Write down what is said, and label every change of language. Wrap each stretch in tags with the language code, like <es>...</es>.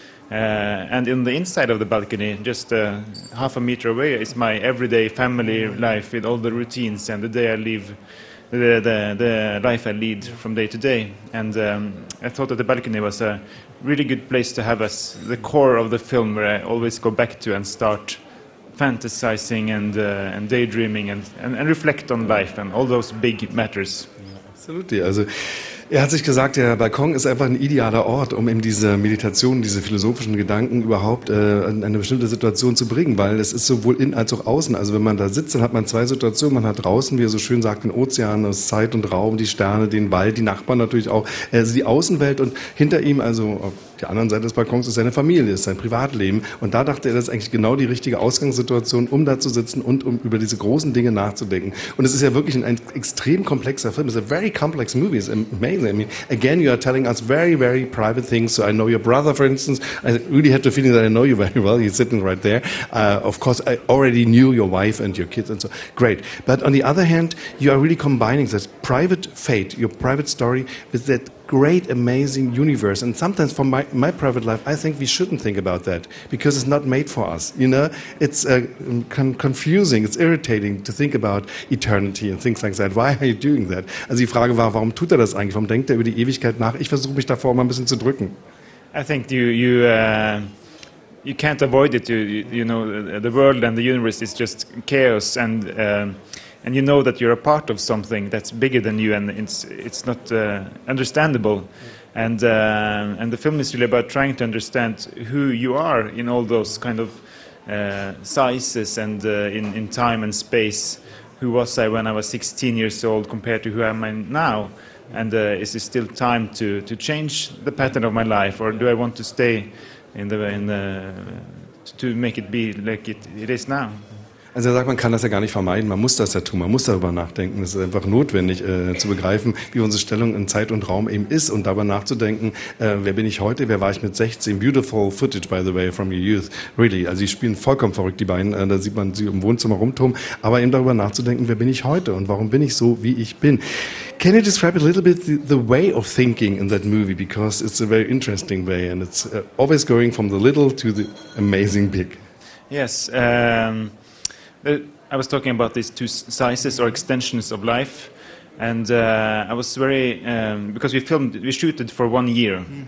<en>And in the inside of the balcony, just half a meter away, is my everyday family life with all the routines and the day I live, the life I lead from day to day. And I thought that the balcony was a really good place to have as the core of the film, where I always go back to and start fantasizing and daydreaming and reflect on life and all those big matters. Yeah, absolutely.</en> <de>Also, er hat sich gesagt, der Balkon ist einfach ein idealer Ort, um eben diese Meditation, diese philosophischen Gedanken überhaupt in eine bestimmte Situation zu bringen, weil es ist sowohl innen als auch außen. Also wenn man da sitzt, dann hat man 2 Situationen. Man hat draußen, wie er so schön sagt, den Ozean, das Zeit und Raum, die Sterne, den Wald, die Nachbarn natürlich auch, also die Außenwelt, und hinter ihm, also auf der anderen Seite des Balkons, ist seine Familie, ist sein Privatleben. Und da dachte er, das ist eigentlich genau die richtige Ausgangssituation, um da zu sitzen und um über diese großen Dinge nachzudenken. Und es ist ja wirklich ein extrem komplexer Film.</de> <en>It's a very complex movie. It's amazing. I mean, again, you are telling us very, very private things. So I know your brother, for instance. I really have the feeling that I know you very well. He's sitting right there. Of course, I already knew your wife and your kids and so. Great. But on the other hand, you are really combining this private fate, your private story, with that great, amazing universe. And sometimes for my private life, I think we shouldn't think about that because it's not made for us. You know, it's confusing, it's irritating to think about eternity and things like that. Why are you doing that?</en> <de>Also die Frage war, warum tut er das eigentlich? Warum denkt er über die Ewigkeit nach? Ich versuche mich davor mal ein bisschen zu drücken.</de> <en>I think you can't avoid it. You know, the world and the universe is just chaos, and you know that you're a part of something that's bigger than you, and it's not understandable. And the film is really about trying to understand who you are in all those kind of sizes and in time and space. Who was I when I was 16 years old compared to who I am now? And is it still time to change the pattern of my life, or do I want to stay to make it be like it is now?</en> <de>Also er sagt, man kann das ja gar nicht vermeiden, man muss das ja tun, man muss darüber nachdenken. Es ist einfach notwendig zu begreifen, wie unsere Stellung in Zeit und Raum eben ist, und darüber nachzudenken, wer bin ich heute, wer war ich mit 16?</de> <en>Beautiful footage, by the way, from your youth.</en> <de>Really, also die spielen vollkommen verrückt, die beiden. Da sieht man sie im Wohnzimmer rumtummen. Aber eben darüber nachzudenken, wer bin ich heute und warum bin ich so, wie ich bin.</de> <en>Can you describe a little bit the way of thinking in that movie? Because it's a very interesting way and it's always going from the little to the amazing big. Yes, I was talking about these 2 sizes or extensions of life, and I was very because we shooted for 1 year, mm-hmm.</en>